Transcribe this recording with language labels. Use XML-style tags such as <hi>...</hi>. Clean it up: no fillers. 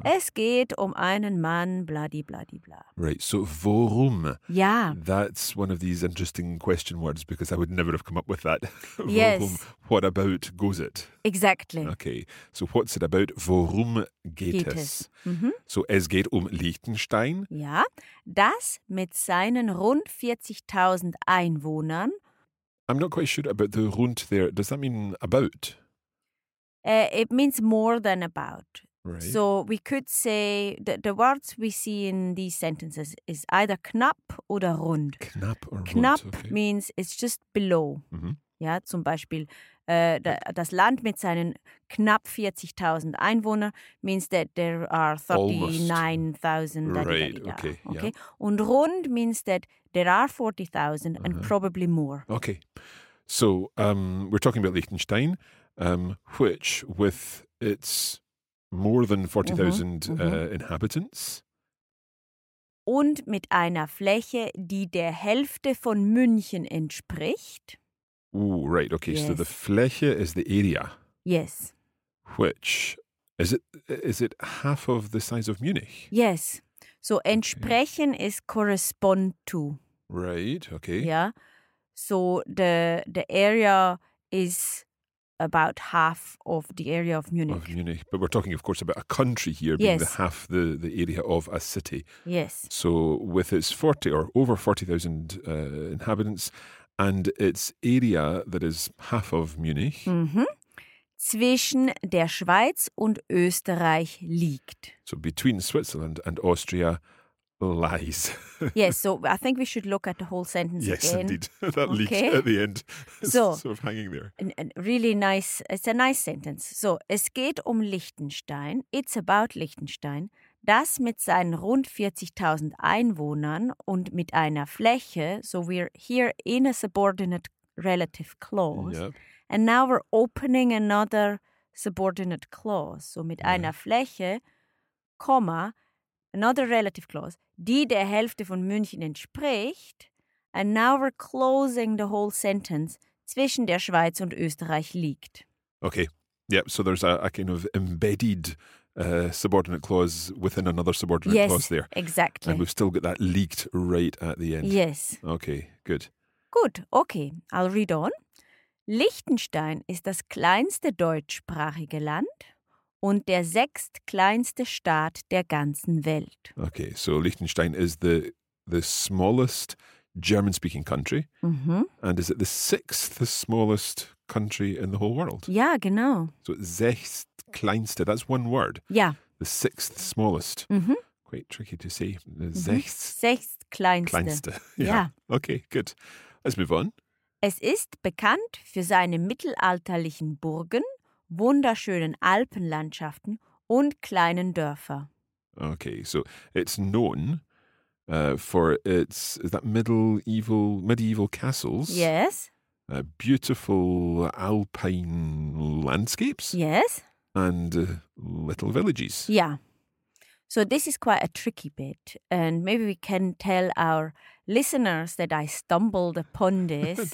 <de>Es geht um einen Mann, bloody, bloody, blah.</de> <en>Right, so worum? Yeah. That's one of these interesting question words because I would never have come up with that. Yes. What about goes it? Exactly. Okay, so what's it about?</en> <de>Worum geht es?</de> <en>Mm-hmm.</en> <de>So es geht um Liechtenstein. Ja, das mit seinen rund 40.000 Einwohnern.</de> <en>I'm not quite sure about the rund there. Does that mean about? It means more than about. Right. So we could say that the words we see in these sentences is either</en> <de>knapp oder rund.</de> <en>Knapp or rund.</en> <de>Knapp</de> <en>okay. means it's just below. Mm-hmm.</en> <de>Ja, zum Beispiel das Land mit seinen knapp 40.000 Einwohner</de> <en>means that there are 39,000. Right, da, da, da, da. Okay. Okay. Yeah. Und rund means that there are 40,000 uh-huh. and probably more. Okay. So we're talking about Liechtenstein. Which, with its more than 40,000 mm-hmm, mm-hmm. Inhabitants.</en> <de>Und mit einer Fläche, die der Hälfte von München entspricht.</de> <en>Oh, right, okay. Yes. So the Fläche is the area. Yes. Which, is it half of the size of Munich? Yes. So entsprechen okay. is correspond to. Right, okay. Yeah. So the area is about half of the area of Munich. Of Munich. But we're talking, of course, about a country here being the half the area of a city. Yes. So with its 40 or over 40,000 inhabitants and its area that is half of Munich.</en> <de>Mm-hmm. Zwischen der Schweiz und Österreich liegt.</de> <en>So between Switzerland and Austria lies. Yes, so I think we should look at the whole sentence yes, again. Yes, indeed. That okay. leaked at the end. So, sort of hanging there. Really nice. It's a nice sentence. So,</en> <de>es geht um Liechtenstein.</de> <en>It's about Liechtenstein.</en> <de>Das mit seinen rund 40.000 Einwohnern und mit einer Fläche.</de> <en>So, we're here in a subordinate relative clause. Yep. And now we're opening another subordinate clause. So, mit yeah. einer Fläche, Komma, another relative clause,</en> <de>die der Hälfte von München entspricht.</de> <en>And now we're closing the whole sentence,</en> <de>zwischen der Schweiz und Österreich liegt.</de> <en>Okay. Yeah, so there's a kind of embedded subordinate clause within another subordinate clause there. Yes, exactly. And we've still got that leaked right at the end. Yes. Okay, good. Gut, okay. I'll read on.</en> <de>Liechtenstein ist das kleinste deutschsprachige Land und der sechstkleinste Staat der ganzen Welt.</de> <en>Okay, so Liechtenstein is the smallest German-speaking country. Mm-hmm. And is it the sixth smallest country in the whole world?</en> <de>Ja, genau.</de> <en>So sechstkleinste, that's one word. Yeah. The sixth smallest. Mm-hmm. Quite tricky to say. Mm-hmm. Sechstkleinste. Yeah. Okay, good. Let's move on.</en> <de>Es ist bekannt für seine mittelalterlichen Burgen, wunderschönen Alpenlandschaften und kleinen Dörfer.</de> <en>Okay, so it's known for its, is that medieval castles? Yes. Beautiful alpine landscapes? Yes. And little villages? Yeah. So this is quite a tricky bit, and maybe we can tell our listeners that I stumbled upon this.</en>